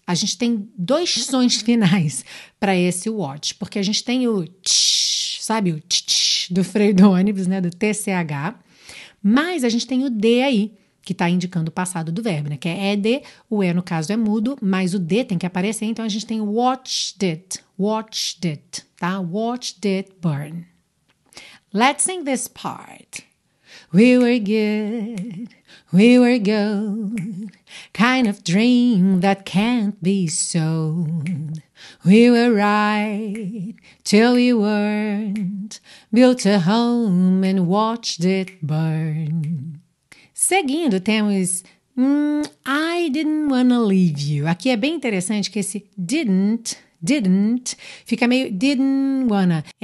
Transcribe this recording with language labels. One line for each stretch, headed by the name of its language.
Portuguese: A gente tem dois sons finais para esse watch, porque a gente tem o tch, sabe, o tch, tch do freio do ônibus, né, do TCH, mas a gente tem o D aí, que está indicando o passado do verbo, né, que é ED, o E no caso é mudo, mas o D tem que aparecer, então a gente tem
English: watched it, tá, watched it burn. Let's sing this part. We were good, we were gold, kind of dream that can't be sold. We were right till we weren't, built a home and watched it burn.
Portuguese: Seguindo, temos
English: I didn't wanna leave you.
Portuguese: Aqui é bem interessante que esse didn't, fica meio
English: didn't wanna.